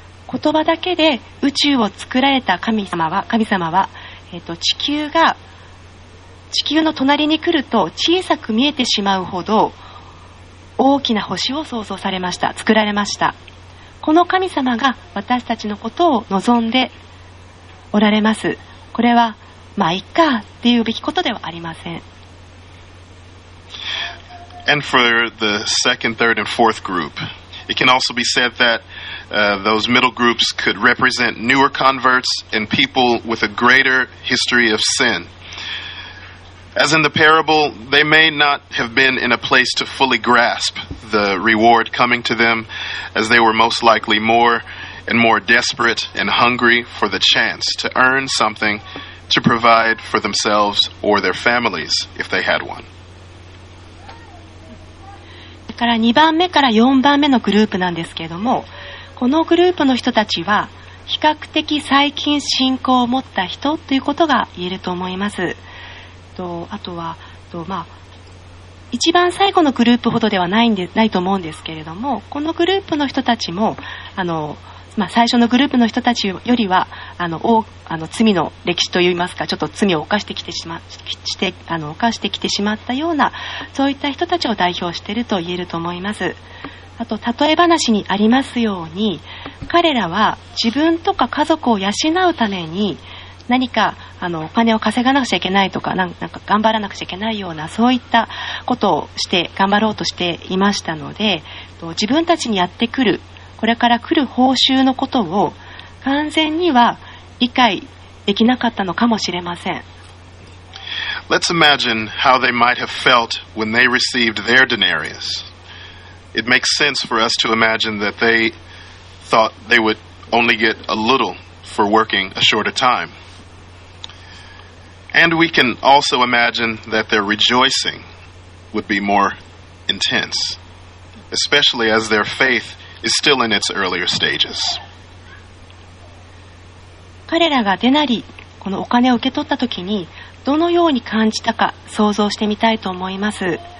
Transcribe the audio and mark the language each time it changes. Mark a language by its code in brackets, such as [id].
[ja] 言葉だけで宇宙を作られた神様は、地球の隣に来ると小さく見えてしまうほど大きな星を創造されました、作られました。この神様が私たちのことを望んでおられます。これはまあいいかっていうべきことではありません。 [en] And for the second, third, and fourth group, it can also be said that、those middle groups could represent newer converts and people with a greater history of sin. As in the parable, they may not have been in a place to fully grasp the reward coming to them, as they were most likely more and more desperate and hungry for the chance to earn something to provide for themselves or their families if they had one. [ja] から2番目から4番目のグループなんですけれども、このグループの人たちは比較的最近信仰を持った人ということが言えると思います。あとは一番最後のグループほどではないと思うんですけれども、このグループの人たちも最初のグループの人たちよりは罪の歴史といいますか、ちょっと罪を犯してきてしまったような、そういった人たちを代表していると言えると思います。あと例え話にありますように、彼らは自分とか家族を養うために何かお金を稼がなくちゃいけないとか、なんか頑張らなくちゃいけないような、そういったことをして頑張ろうとしていましたので、自分たちにやってくる、これから来る報酬のことを完全には理解できなかったのかもしれません。 [en] Let's imagine how they might have felt when they received their denarius. It makes sense for us to imagine that they thought they would only get a little for working a shorter time. And we can also imagine that their rejoicing would be more intense, especially as their faithis still in its earlier stages. [ja] 彼らがデナリ、このお金を受け取った時にどのように感じたか想像してみたいと思います。